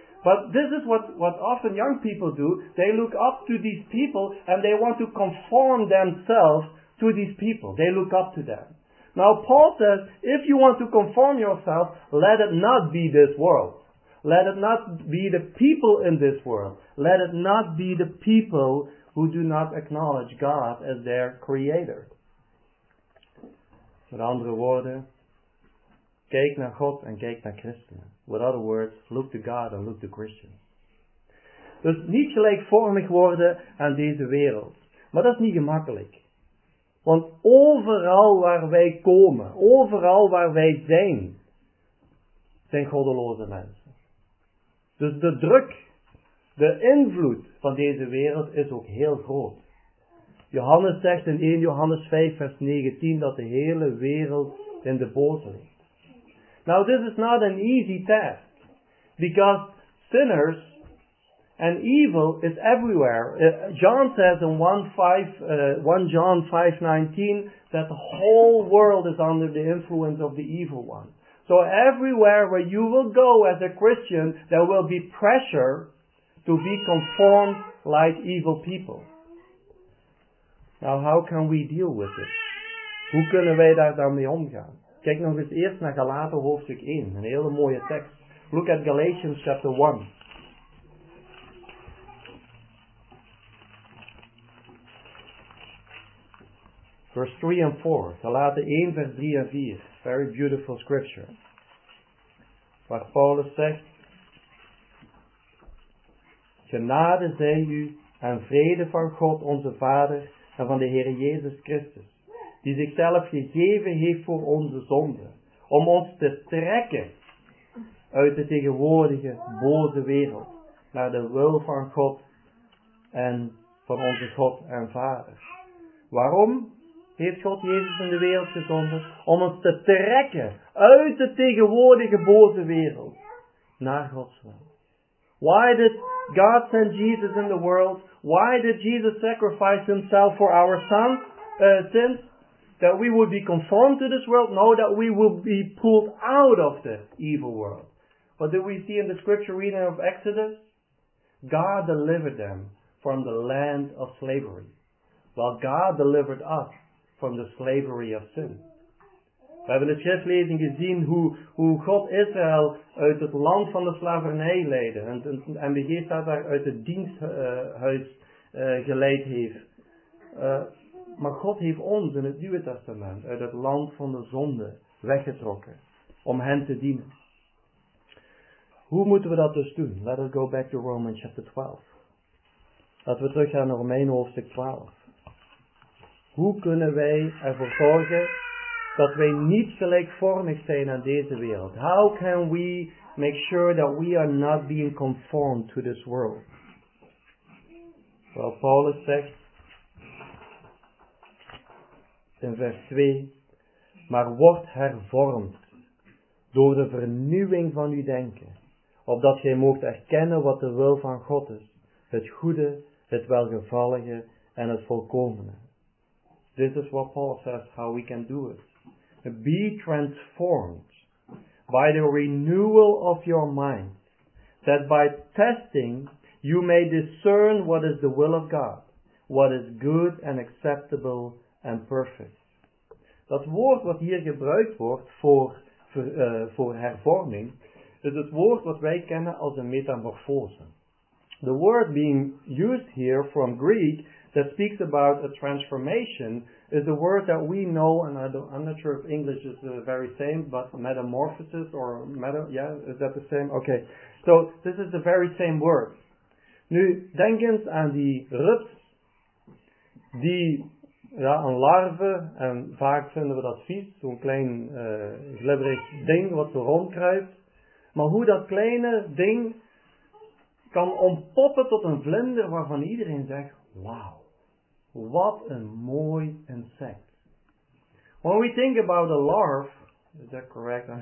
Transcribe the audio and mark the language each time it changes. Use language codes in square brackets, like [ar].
[en] But this is what often young people do. They look up to these people and they want to conform themselves to these people. They look up to them. Now, Paul says, if you want to conform yourself, let it not be this world. Let it not be the people in this world. Let it not be the people who do not acknowledge God as their creator. [nl] Met andere woorden, kijk naar God en kijk naar Christen. [en] With other words, look to God and look to Christian. [nl] Dus niet gelijkvormig worden aan deze wereld. Maar dat is niet gemakkelijk. Want overal waar wij komen, overal waar wij zijn, zijn goddeloze mensen. Dus de druk, de invloed van deze wereld is ook heel groot. Johannes zegt in 1 Johannes 5 vers 19 dat de hele wereld in de boze ligt. [en] Now this is not an easy task. Because sinners and evil is everywhere. John says in 1 John 5:19 that the whole world is under the influence of the evil one. So everywhere where you will go as a Christian, there will be pressure to be conformed like evil people. Now, how can we deal with it? [nl] Hoe kunnen wij daar dan mee omgaan? Kijk nog eens eerst naar Galaten hoofdstuk 1. Een hele mooie tekst. [en] Look at Galatians chapter 1. verse 3 and 4. [nl] Galaten 1, vers 3 en 4. [en] Very beautiful scripture. [nl] Waar Paulus zegt: genade zij u en vrede van God onze Vader en van de Heer Jezus Christus, die zichzelf gegeven heeft voor onze zonden, om ons te trekken uit de tegenwoordige boze wereld naar de wil van God en van onze God en Vader. Waarom heeft God Jezus in de wereld gezonden? Om ons te trekken uit de tegenwoordige boze wereld naar Gods wil. [en] Why did God send Jesus in the world? Why did Jesus sacrifice himself for our sins? That we would be conformed to this world? No, that we would be pulled out of the evil world. But do we see in the scripture reading of Exodus? God delivered them from the land of slavery, while God delivered us from the slavery of sin. [nl] We hebben de schriftlezing gezien hoe God Israël uit het land van de slavernij leidde. En de geest daar uit het diensthuis geleid heeft. Maar God heeft ons in het Nieuwe Testament uit het land van de zonde weggetrokken. Om hen te dienen. Hoe moeten we dat dus doen? [en] Let us go back to Romans chapter 12. [nl] Laten we teruggaan naar Romeinen hoofdstuk 12. Hoe kunnen wij ervoor zorgen dat wij niet gelijkvormig zijn aan deze wereld? [en] How can we make sure that we are not being conformed to this world? [nl] Well, Paulus zegt in vers 2: maar word hervormd door de vernieuwing van uw denken, opdat gij moogt erkennen wat de wil van God is, het goede, het welgevallige en het volkomene. [en] This is what Paul says, how we can do it. Be transformed by the renewal of your mind, that by testing you may discern what is the will of God, what is good and acceptable and perfect. [nl] Dat woord wat hier gebruikt wordt voor hervorming, is het woord wat wij kennen als een metamorfose. [en] The word being used here from Greek that speaks about a transformation is the word that we know, and I'm not sure if English is the very same, but metamorphosis or is that the same? Okay, so this is the very same word. [nl] Nu, denk eens aan die rups, een larve, en vaak vinden we dat vies, zo'n klein glibberig ding wat zo rondkruipt. Maar hoe dat kleine ding kan ontpoppen tot een vlinder waarvan iedereen zegt, wauw. Wat een mooi insect. [en] When we think about a larve, is that correct?